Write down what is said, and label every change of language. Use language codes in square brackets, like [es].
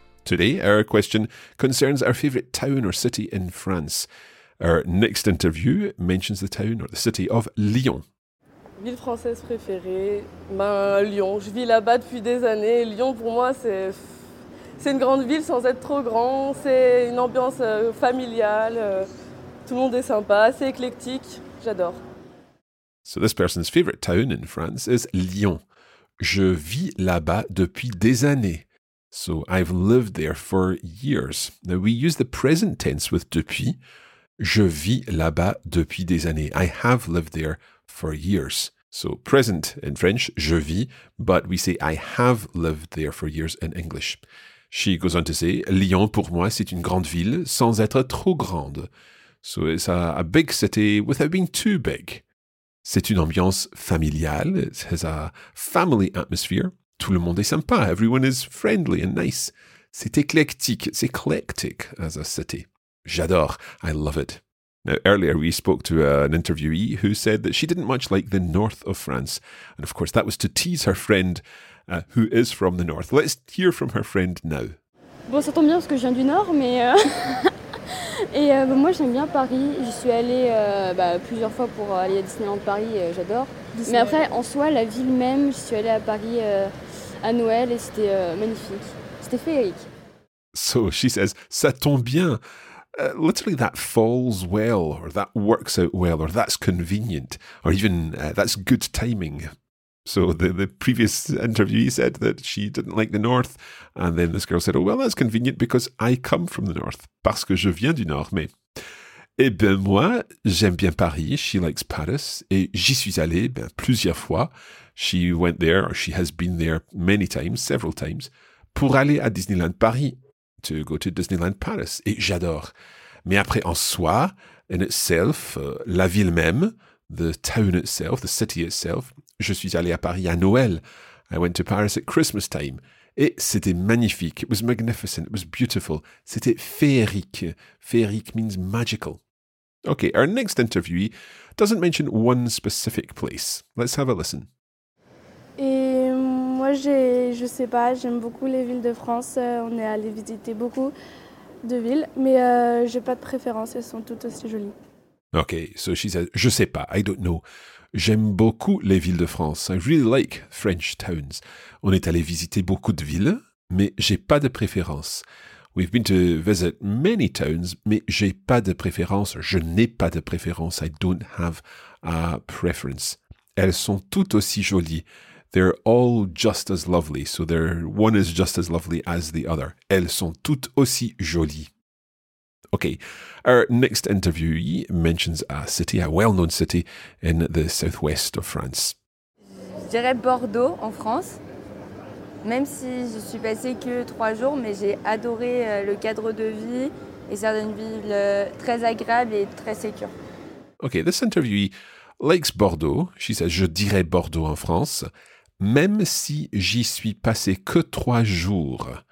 [en] Today, our question concerns our favourite town or city in France. Our next interview mentions the town or the city of Lyon. [fr] Ville française préférée, Lyon. Je vis là-bas depuis des années. Lyon, pour moi, c'est une grande ville sans être trop grand. C'est une ambiance familiale. Tout le monde est sympa, assez éclectique. J'adore. [en] So this person's favourite town in France is Lyon. [fr] Je vis là-bas depuis des années. [en] So, I've lived there for years. Now, we use the present tense with depuis. [fr] Je vis là-bas depuis des années. [en] I have lived there for years. So, present in French, [fr] je vis, [en] but we say I have lived there for years in English. She goes on to say, [fr] Lyon, pour moi, c'est une grande ville sans être trop grande. [en] So, it's a big city without being too big. [fr] C'est une ambiance familiale. [en] It has a family atmosphere. [fr] Tout le monde est sympa, [en] everyone is friendly and nice. [fr] C'est éclectique, [en] it's eclectic as a city. [fr] J'adore, [en] I love it. Now, earlier we spoke to an interviewee who said that she didn't much like the north of France. And of course, that was to tease her friend who is from the north. Let's hear from her friend now. [fr] Bon, ça tombe bien parce que je viens du nord, mais... moi, j'aime bien Paris. J'y suis allée plusieurs fois pour aller à Disneyland Paris, j'adore. Disneyland. Mais après, en soi, la ville même, j'y suis allée à Paris à Noël et c'était magnifique. C'était féerique. [en] So, she says, [fr] ça tombe bien. [en] literally that falls well, or that works out well, or that's convenient, or even that's good timing. So the previous interviewee said that she didn't like the North, and then this girl said, oh, well, that's convenient because I come from the North. [fr] Parce que je viens du Nord, mais... Eh bien, moi, j'aime bien Paris. [en] She likes Paris. [fr] Et j'y suis allé ben, plusieurs fois. [en] She went there, or she has been there many times, several times, [fr] pour aller à Disneyland Paris, [en] to go to Disneyland Paris. [fr] Et j'adore. Mais après, en soi, [en] in itself, [fr] la ville même, [en] the town itself, the city itself, [fr] je suis allé à Paris à Noël. [en] I went to Paris at Christmas time. [fr] Et c'était magnifique. [en] It was magnificent. It was beautiful. [fr] C'était féerique. [en] Féerique means magical. Okay, our next interviewee doesn't mention one specific place. Let's have a listen. [fr] Et moi, je sais pas, j'aime beaucoup les villes de France. On est allé visiter beaucoup de villes, mais j'ai pas de préférence. Elles sont toutes aussi jolies. [en] Okay, so she says, [fr] je sais pas, [en] I don't know. [fr] J'aime beaucoup les villes de France. [en] I really like French towns. [fr] On est allé visiter beaucoup de villes, mais j'ai pas de préférence. [en] We've been to visit many towns, [fr] mais j'ai pas de préférence. Je n'ai pas de préférence. [en] I don't have a preference. [fr] Elles sont toutes aussi jolies. [en] They're all just as lovely. So they're one is just as lovely as the other. [fr] Elles sont toutes aussi jolies. [en] Okay, our next interviewee mentions a city, a well-known city in the southwest of France. [fr] Je dirais Bordeaux en France, même si je suis passée que 3 jours, mais j'ai adoré le cadre de vie et certaines villes très agréables et très sécures. [en] Okay, this interviewee likes Bordeaux. She says, [fr] je dirais Bordeaux en France, même si j'y suis passée que 3 jours.